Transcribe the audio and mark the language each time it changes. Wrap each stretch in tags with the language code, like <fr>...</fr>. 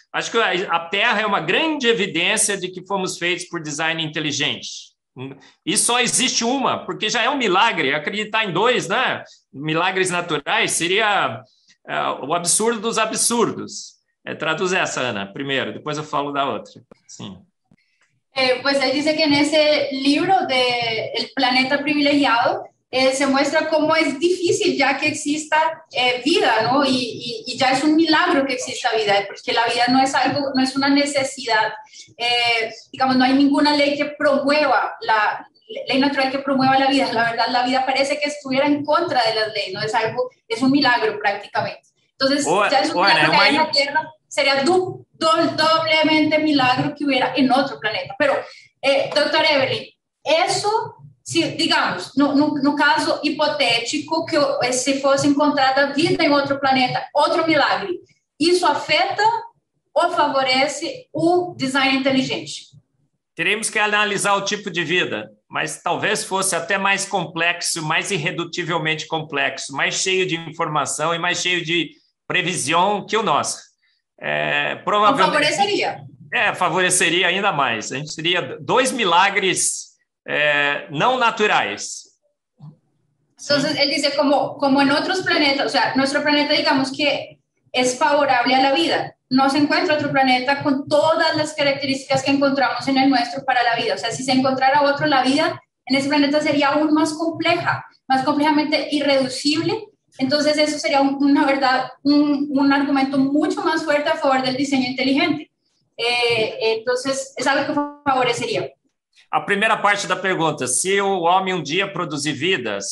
<pt>Acho que a Terra é uma grande evidência de que fomos feitos por design inteligente. E só existe uma, porque já é um milagre. Acreditar em dois, né? Milagres naturais, seria o absurdo dos absurdos. Traduz essa, Ana, primeiro. Depois eu falo da outra. Sim.</pt> <es>Pues él dice que en ese libro de El Planeta Privilegiado se muestra cómo es difícil ya que exista vida, ¿no? Y ya es un milagro que exista vida, porque la vida no es algo, no es una necesidad. Digamos, no hay ninguna ley que promueva la ley natural que promueva la vida. La verdad, la vida parece que estuviera en contra de las leyes, ¿no? Es algo, es un milagro prácticamente. Entonces, ya es un milagro que hay en la Tierra. Sería doblemente milagro que hubiera en otro planeta. Pero, doctor Eberlin, eso, si, digamos,</es> <pt>no caso hipotético,</pt> <es>que se fuese encontrada vida en otro planeta, otro milagro, ¿eso afecta o favorece el design inteligente?</es> <pt>Teremos que analisar</pt> <es>el tipo de vida,</es> <pt>mas talvez fosse até mais complexo, mais irredutivelmente complexo, mais cheio de informação e mais cheio de previsão que o nosso. Provavelmente favoreceria. Favoreceria ainda mais. A gente teria dois milagres não naturais. Então, ele diz como em outros planetas, ou seja, nosso planeta, digamos que é favorável à vida. Não se encontra outro planeta com todas as características que encontramos no nosso para a vida. Ou seja, se se encontrar outro, a vida nesse planeta seria ainda mais complexa, mais completamente irreducível.</pt> <es>Entonces eso sería una verdad, un argumento mucho más fuerte a favor del diseño inteligente. Entonces es algo que favorecería. A primera parte de la pregunta, si un hombre un día produce vida,</es>